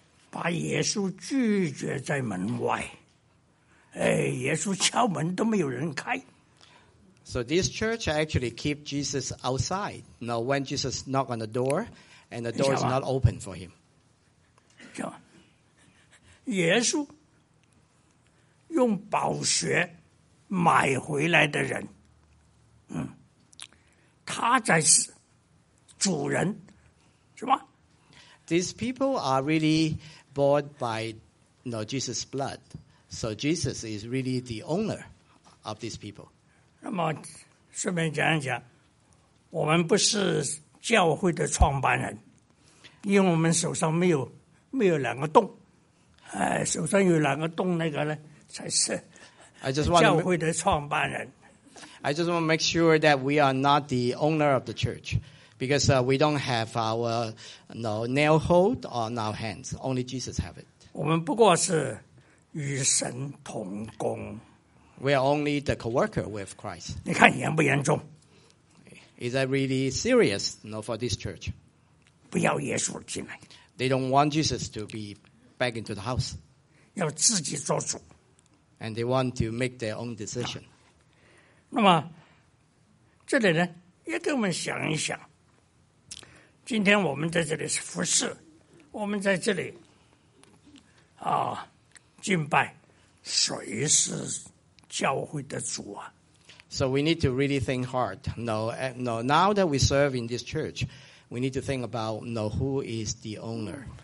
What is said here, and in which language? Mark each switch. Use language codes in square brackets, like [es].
[zh] 把耶稣拒绝在门外，耶稣敲门都没有人开。 [en] So this church actually keep Jesus outside. Now when Jesus knock on the door, and the door is not open for him. [zh] 耶稣用宝血买回来的人，他才是主人，是吧？ [en] These people are really bought by, you know, Jesus' blood. So Jesus is really the owner of these people. [zh] 那么顺便讲一讲，我们不是教会的创办人，因为我们手上没有两个洞。哎，手上有两个洞，那个呢才是教会的创办人。 [en] I just want to make sure that we are not the owner of the church, because we don't have our nail hold on our hands. Only Jesus have it. [zh] 我们不过是与神同工。 [en] We are only the co-worker with Christ. [zh] 你看严不严重？ [en] Is that really serious? No, for this church. [zh] 不要耶稣进来。 [en] They don't want Jesus to be back into the house. [zh] 要自己做主。 [en] And they want to make their own decision. [zh] 那么这里呢，也给我们想一想，今天我们在这里是服侍，我们在这里啊敬拜，谁是教会的主啊？ [en] So we need to really think hard. No, now that we serve in this church, we need to think about who is the owner.